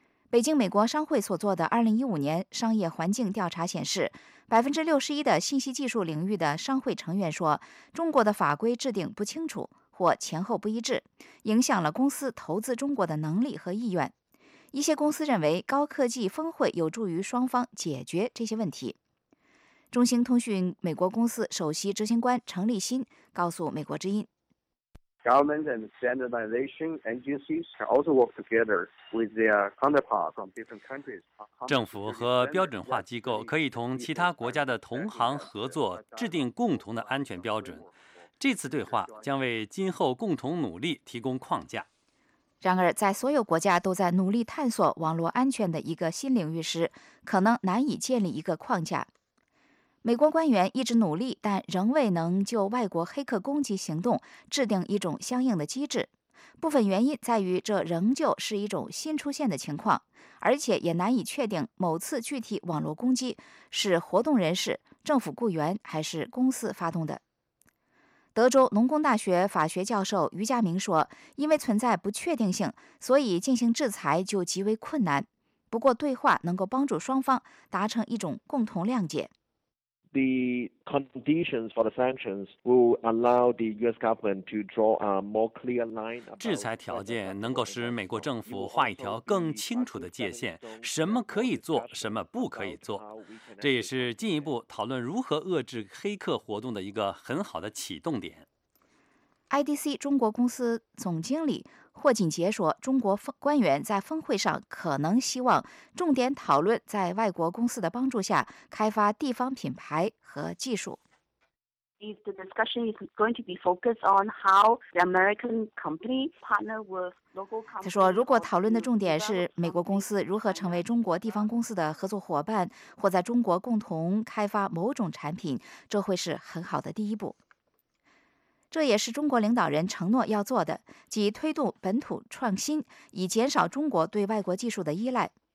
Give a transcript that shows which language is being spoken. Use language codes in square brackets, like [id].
[zh] 北京美国商会所做的2015年商业环境调查显示，61%的信息技术领域的商会成员说，中国的法规制定不清楚或前后不一致，影响了公司投资中国的能力和意愿。一些公司认为高科技峰会有助于双方解决这些问题。中兴通讯美国公司首席执行官程立新告诉美国之音。 [en] Government and standardization agencies can also work together with their counterparts from different countries. [zh] 政府和标准化机构可以同其他国家的同行合作，制定共同的安全标准。这次对话将为今后共同努力提供框架。然而，在所有国家都在努力探索网络安全的一个新领域时，可能难以建立一个框架。美国官员一直努力，但仍未能就外国黑客攻击行动制定一种相应的机制。部分原因在于这仍旧是一种新出现的情况，而且也难以确定某次具体网络攻击是活动人士、政府雇员还是公司发动的。德州农工大学法学教授于佳明说，因为存在不确定性，所以进行制裁就极为困难。不过对话能够帮助双方达成一种共同谅解。 [en] The conditions for the sanctions will allow the U.S. government to draw a more clear line. [zh] 制裁条件能够使美国政府画一条更清楚的界限，什么可以做，什么不可以做。这也是进一步讨论如何遏制黑客活动的一个很好的启动点。 IDC 中国公司总经理霍锦杰说，中国官员在峰会上可能希望重点讨论在外国公司的帮助下开发地方品牌和技术。 [en] If the discussion is going to be focused on how the American company partner with local companies, [zh] 他说，如果讨论的重点是美国公司如何成为中国地方公司的合作伙伴，或在中国共同开发某种产品，这会是很好的第一步。这也是中国领导人承诺要做的，即推动本土创新，以减少中国对外国技术的依赖。